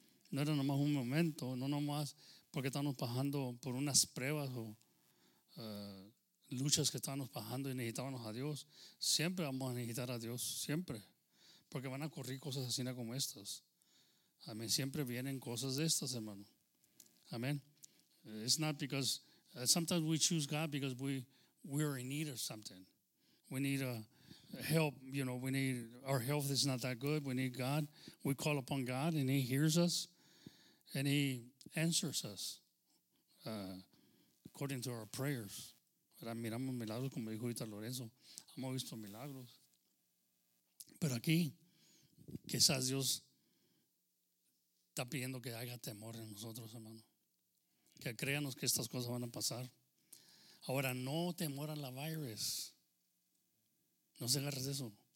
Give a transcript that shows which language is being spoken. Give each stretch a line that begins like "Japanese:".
Spanish: No era nomás un momento, no nomás porque estábamos pasando por unas pruebas o luchas que estábamos pasando y necesitábamos a Dios. Siempre vamos a necesitar a Dios, siempre. Porque van a ocurrir cosas así como estas. Amén. Siempre vienen cosas de estas, hermano. Amén.
English: It's not because, sometimes we choose God because we are in need of something. We need a help, you know, we need, our health is not that good. We need God. We call upon God and He hears us. And He answers us according to our prayers.
Spanish: Miramos milagros, como dijo ahorita Lorenzo. Hemos visto milagros. Pero aquí, quizás Dios está pidiendo que haya temor en nosotros, hermano. Que créanos que estas cosas van a pasar. Ahora, no temor a la virus. No se agarres de eso.